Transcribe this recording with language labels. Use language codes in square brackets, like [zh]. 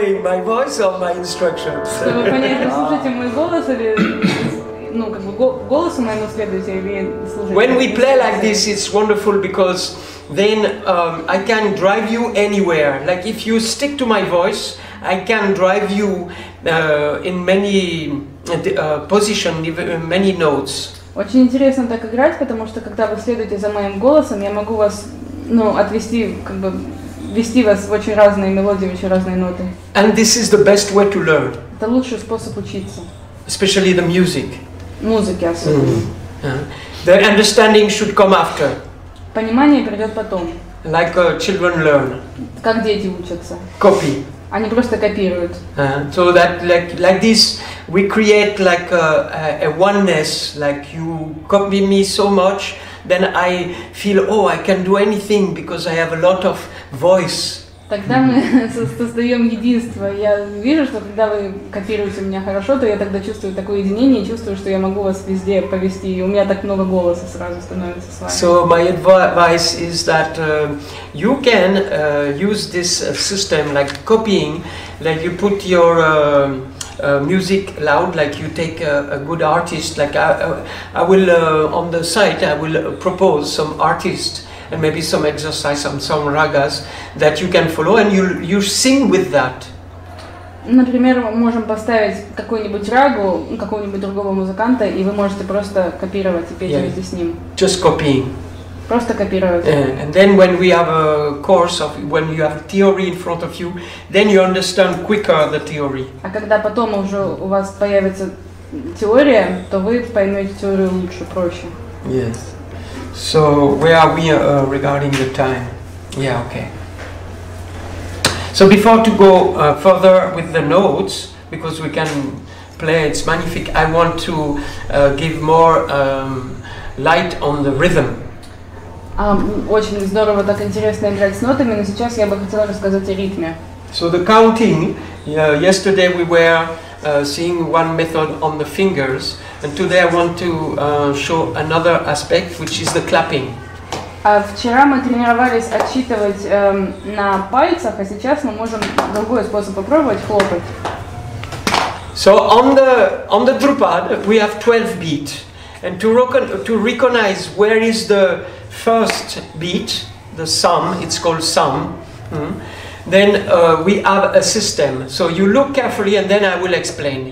[ru] Чтобы понять, вы слушаете мой голос или ну как бы голосом моему следуете или слушаете. [en] When we play like this, it's wonderful because then I can drive you anywhere. Like if you stick to my voice, I can drive you in many position, many notes. [ru] Очень интересно так играть, потому что когда вы следуете за моим голосом, я могу вас ну отвести как бы. Вести вас в очень разные мелодии, в очень разные ноты. [en] And this is the best way to learn. [ru] Это лучший способ учиться. [en] Especially the music. [ru] Музыки особенно. Mm-hmm. Yeah. [en] The understanding should come after. [ru] Понимание придет потом. [en] Like children learn. [ru] Как дети учатся. [en] Copy. [ru] Они просто копируют. [en] So that like this we create like a oneness, like you copy me so much. Then I feel, oh, I can do anything because I have a lot of voice. [ru] Тогда мы создаем единство. Я вижу, что когда вы копируете меня хорошо, то я тогда чувствую такое единение, чувствую, что я могу вас везде повести. И у меня так много голоса сразу становится с вами. [en] So my advice is that you can use this system like copying, like you put your music loud, like you take a good artist, like I will on the site I will propose some artist and maybe some exercise and some ragas that you can follow and you sing with that. [ru] Например, мы можем поставить какую-нибудь рагу какого-нибудь другого музыканта и вы можете просто копировать и петь вместе с ним. [en] Just copying. [ru] Просто копировать. [en] And then when we have a course of when you have theory in front of you, then you understand quicker the theory. [ru] А когда потом уже у вас появится теория, то вы поймете теорию лучше, проще. [en] Yes. So where are we regarding the time? Yeah. Okay. So before to go further with the notes, because we can play, it's magnificent. I want to give more light on the rhythm. [ru] Очень здорово, так интересно играть с нотами, но сейчас я бы хотела рассказать о ритме. [en] So the counting, yesterday we were seeing one method on the fingers, and today I want to show another aspect, which is the clapping. [ru] Вчера мы тренировались отсчитывать на пальцах, а сейчас мы можем другой способ попробовать хлопать. [en] So on the Dhrupad we have 12 beats, and to recognize where is the first beat, the sum, it's called sum. Then we have a system. So you look carefully, and then I will explain.